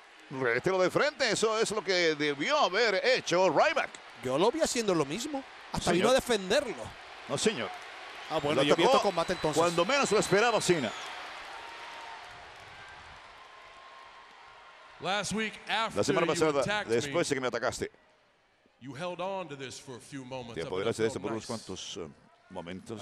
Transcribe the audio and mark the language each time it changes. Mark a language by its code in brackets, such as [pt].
[es] Rételo de frente. Eso es lo que debió haber hecho Ryback. Yo lo vi haciendo lo mismo. Hasta vino a defenderlo. No, señor. Ah, bueno, yo vi este combate entonces. Cuando menos lo esperaba Cena. [en] Last week, [es] la semana pasada, después de que me atacaste, [en] you held on to this for a few moments. [es] Te apoderaste de esto por unos cuantos momentos.